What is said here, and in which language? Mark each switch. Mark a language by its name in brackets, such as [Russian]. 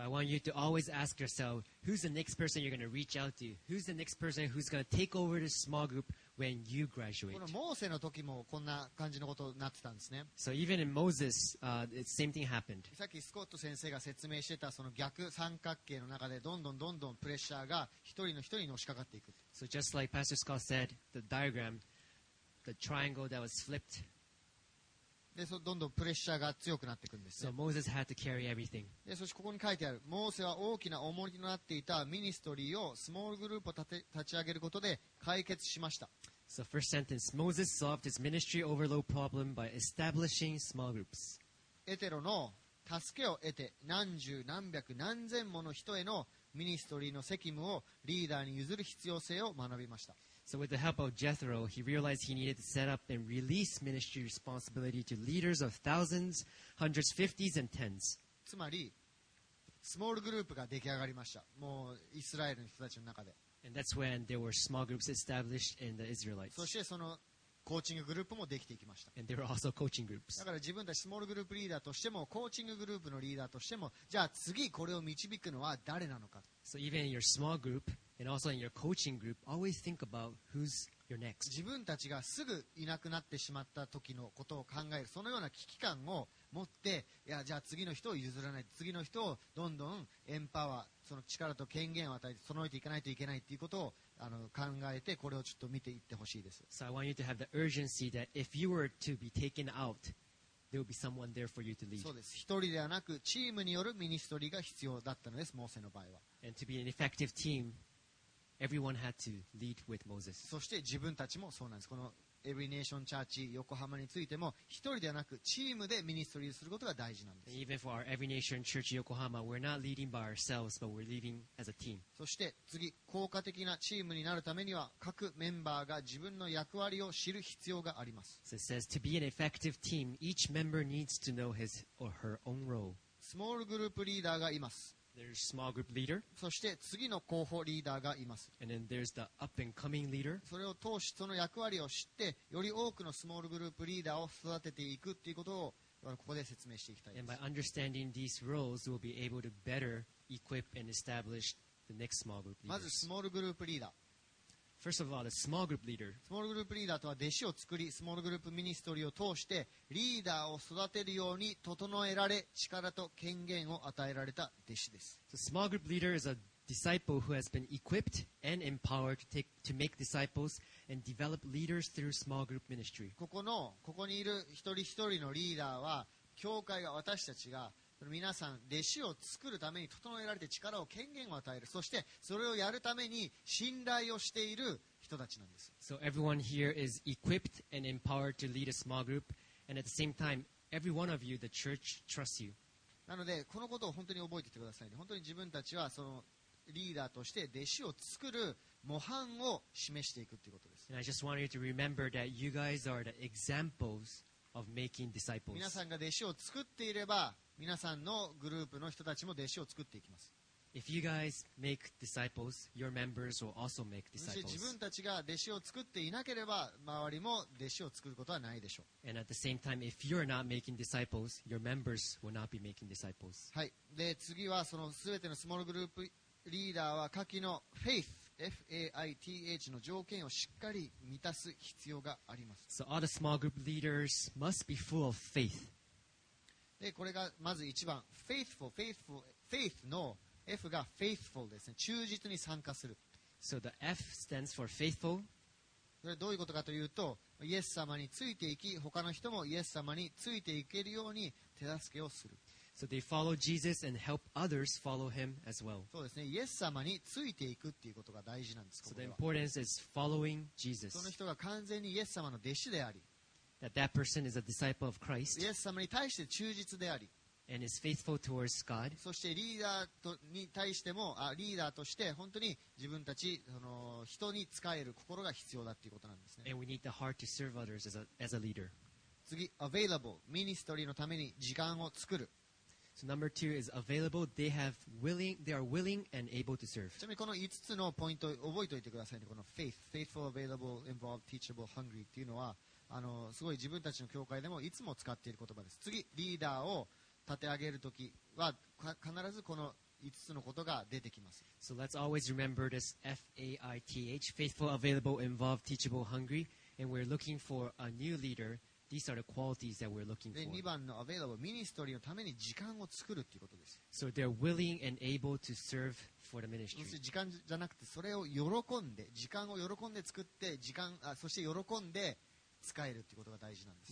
[English] So I want you to always ask yourself, who's the next person you're going to reach out to? Who's the next person who's going to take over this small group when you graduate? [Japanese] このモーセの時もこんな感じのことになってたんですね。 [English] So even in Moses, the same thing happened. [Japanese] さっきスコット先生が説明してたその逆三角形の中でどんどんどんどんプレッシャーが一人の一人にのしかかっていく。 [English] So just like Pastor Scott said, the diagram, the triangle that was flipped. [Japanese] でどんどんプレッシャーが強くなっていくんです、ね、 [English] So Moses had to carry everything. [Japanese] でそしてここに書いてあるモーセは大きな重荷になっていたミニストリーをスモールグループを立ち上げることで解決しました [English] So first sentence Moses solved his ministry overload problem by establishing small groups. [Japanese] エテロの助けを得て何十何百何千もの人へのミニストリーの責務をリーダーに譲る必要性を学びました [English] So with the help of Jethro, he realized he needed to set up and release ministry responsibility to leaders of thousands, hundreds, fifties, and tens. [Japanese] つまり、スモールグループが出来上がりました。もうイスラエルの人たちの中で。 [English] And that's when there were small groups established in the Israelites. [Japanese] そしてそのコーチンググループも出来ていきました。 [English] And there were also coaching groups. [Japanese] だから自分たちスモールグループリーダーとしても、コーチンググループのリーダーとしても、じゃあ次これを導くのは誰なのか。 [English] So even in your small group,And also in your coaching group, always think about who's your next. [Japanese] 自分たちがすぐいなくなってしまった時のことを考える、そのような危機感を持って、いや、じゃあ次の人を譲らない、次の人をどんどんエンパワー、その力と権限を与えて、備えていかないといけないということを考えて、これをちょっと見ていってほしいです。 [English] So I want you to have the urgency that if you were to be taken out, there will be someone there for you to lead. [Japanese] そうです。一人ではなく、チームによるミニストリーが必要だったのです、モーセの場合は。 [English] And to be an effective team,Everyone had to lead with Moses. [Japanese] そして自分たちもそうなんです。この Every Nation Church 横浜についても一人ではなくチームでミニストリーすることが大事なんです。 [English] Even for our Every Nation Church Yokohama, we're not leading by ourselves, but we're leading as a team. [Japanese] そして次、効果的なチームになるためには各メンバーが自分の役割を知る必要があります。 [English] So it says, to be an effective team, each member needs to know his or her own role. [Japanese] スモールグループリーダーがいます。 [English] There's small group leader. [Japanese] そして次の候補リーダーがいます。 [English] And then there's the up and coming leader. [Japanese] それを通しその役割を知って、より多くのスモールグループリーダーを育てていくということをここで説明していきたいです。 [English] And by understanding these roles, we'll be able to better equip and establish the next small group leader. [Japanese] まずスモールグループリーダー。 [English] First of all, the small group leader. [Japanese] スモールグループリーダーとは弟子を作り、スモールグループミニストリーを通してリーダーを育てるように整えられ、力と権限を与えられた弟子です。 [English] So, small group leader is a disciple who has been equipped and empowered to make disciples and develop leaders through small group ministry. [Japanese] ここにいる一人一人のリーダーは、教会が私たちが皆さん弟子を作るために整えられて力を権限を与える、そしてそれをやるために信頼をしている人たちなんです。 [English] So everyone here is equipped and empowered to lead a small group. And at the same time, every one of you, the church trusts you. [Japanese] なので、このことを本当に覚えていてくださいね。本当に自分たちはそのリーダーとして弟子を作る模範を示していくということです。 [English] And I just want you to remember that you guys are the examples of making disciples. [Japanese] 皆さんが弟子を作っていれば、皆さんのグループの人たちも弟子を作っていきます。 [English] If you guys make disciples, your members will also make disciples. [Japanese] 自分たちが弟子を作っていなければ、周りも弟子を作ることはないでしょう。 [English] And at the same time, if you're not making disciples, your members will not be making disciples. [Japanese] はい。で、次はその全てのスモールグループリーダーは下記の faith, F-A-I-T-H の条件をしっかり満たす必要があります。 [English] So all the small group leaders must be full of faith. [Japanese] で、これがまず一番、faithful, faith のF が faithful ですね。忠実に参加する。 [English] So the F stands for faithful. [Japanese] それどういうことかというと、イエス様についていき、他の人もイエス様についていけるように手助けをする。 [English] So they follow Jesus and help others follow him as well. [Japanese] そうですね。イエス様についていくっていうことが大事なんです。 [English] So the importance is following Jesus. [Japanese] その人が完全にイエス様の弟子であり。 [English] That person is a disciple of Christ. [Japanese] イエス様に対して忠実であり。 [English] And is faithful towards God. [Japanese] そしてリーダーとに対してもあリーダーとして本当に自分たちその人に仕える心が必要だということなんですね。 [English] And we need the heart to serve others as a leader. [Japanese] 次、available ミニストリーのために時間を作る。 [English] So number two is available. They are willing and able to serve. [Japanese] ちなみにこの5つのポイントを覚えておいてくださいね。この [English] faith, faithful, available, involved, teachable, hungry [Japanese] っていうのはすごい自分たちの教会でもいつも使っている言葉です。次、リーダーを立て上げるときは必ずこの5つのことが出てきます。 [English] So let's always remember this F-A-I-T-H, faithful, available, involved, teachable, hungry, and we're looking for a new leader. These are the qualities that we're looking for. [Japanese] で、2番の available, ministry のために時間を作るっていうことです。 [English] So they're willing and able to serve for the ministry. [Japanese] 時間じゃなくて、それを喜んで、時間を喜んで作って、時間、あ、そして喜んで使えるっていうことが大事なんです、